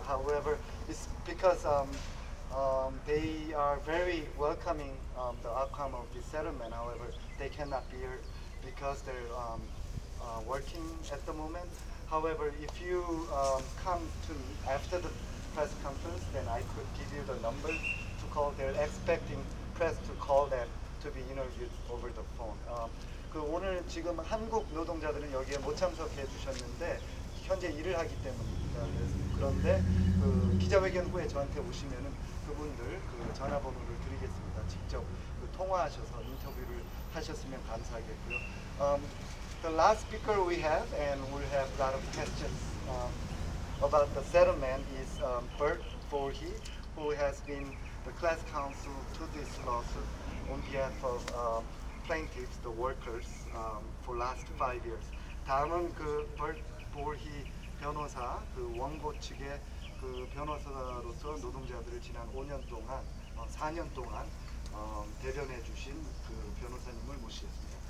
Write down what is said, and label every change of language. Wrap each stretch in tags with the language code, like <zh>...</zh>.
<en>However, it's because they are very welcoming the outcome of this settlement. However, they cannot be here because they're working at the moment. However, if you come to me after the press conference, then I could give you the number to call. They're expecting press to call them to be interviewed over the phone.</en> <ko>그 오늘 지금 한국 노동자들은 여기에 못 참석해 주셨는데 현재 일을 하기 때문입니다. 그런데 그 기자회견 후에 저한테 오시면은 그분들 그 전화번호를 드리겠습니다. 직접 그 통화하셔서 인터뷰를 하셨으면 감사하겠고요.</ko> <en>The last speaker we have, and we'll have a lot of questions about the settlement, is Bert Voorhees, who has been the class counsel to this lawsuit on behalf of plaintiffs, the workers, for last 5 years.</en> <ko>다음은 그 Bert Voorhees 변호사, 그 원고 측의 그 변호사로서 노동자들을 지난 5년 동안, 4년 동안 대변해 주신 그 변호사님을 모시겠습니다.</ko>